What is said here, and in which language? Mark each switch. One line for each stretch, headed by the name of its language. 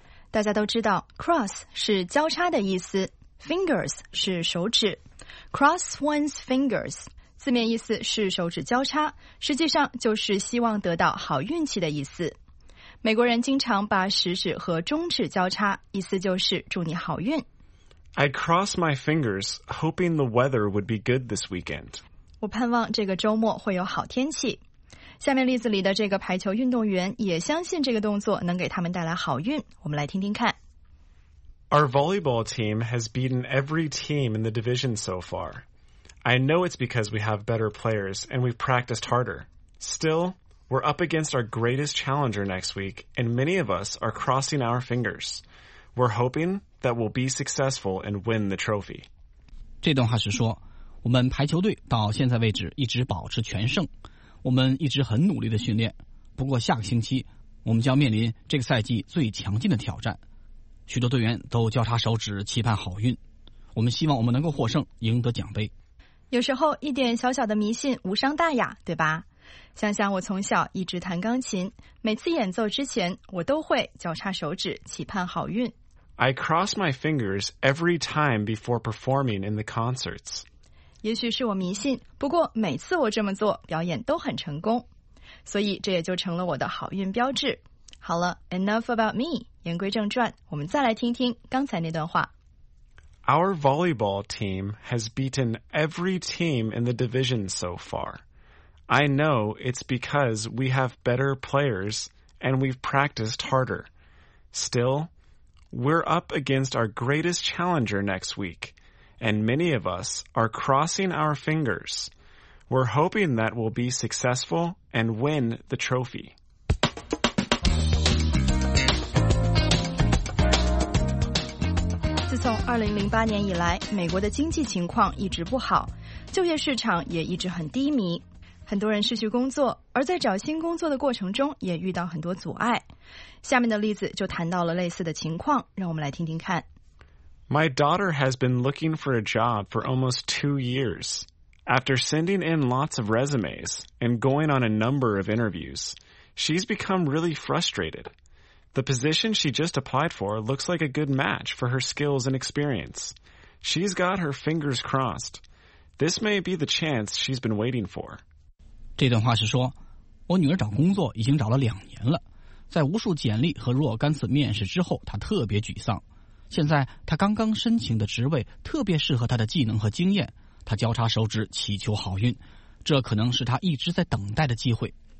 Chinese: 大家都知道 cross 是交叉的意思， fingers 是手指。 Cross one's fingers 字面意思是手指交叉，实际上就是希望得到好运气的意思。美国人经常把食指和中指交叉，意思就是祝你好运。
English: I cross my fingers, hoping the weather would be good this weekend.
Chinese: 我盼望这个周末会有好天气。下面例子里的这个排球运动员也相信这个动作能给他们带来好运，我们来听听看。
English: Our volleyball team has beaten every team in the division so far. I know it's because we have better players and we've practiced harder. Still... We're up against our greatest challenger next week, and many of us are crossing our fingers. We're hoping that we'll be successful and win the trophy.
Chinese: 这段话是说，我们排球队到现在为止一直保持全胜，我们一直很努力的训练。不过下个星期，我们将面临这个赛季最强劲的挑战。许多队员都交叉手指期盼好运，我们希望我们能够获胜，赢得奖杯。有时候一点小小的迷信无伤大雅，对吧？想想我从小一直弹钢琴，每次演奏之前我都会交叉手指期盼好运。
English: I cross my fingers every time before performing in the concerts.
Chinese: 也许是我迷信，不过每次我这么做表演都很成功，所以这也就成了我的好运标志。好了
English: ，enough about me。
Chinese: 言归正传，我们再来听听刚才那段话。
English: Our volleyball team has beaten every team in the division so far. I know it's because we have better players and we've practiced harder. Still, we're up against our greatest challenger next week, and many of us are crossing our fingers. We're hoping that we'll be successful and win the trophy.
Chinese: 自从2008年以来，美国的经济情况一直不好，就业市场也一直很低迷，很多人失去工作，而在找新工作的过程中也遇到很多阻碍。下面的例子就谈到了类似的情况，让我们来听听看。
English: My daughter has been looking for a job for almost 2 years. After sending in lots of resumes and going on a number of interviews, she's become really frustrated. The position she just applied for looks like a good match for her skills and experience. She's got her fingers crossed. This may be the chance she's been waiting for.
Chinese: 这段话是说，我女儿找工作已经找了2年了，在无数简历和若干次面试之后，她特别沮丧。现在她刚刚申请的职位特别适合她的技能和经验，她交叉手指祈求好运，这可能是她一直在等待的机会。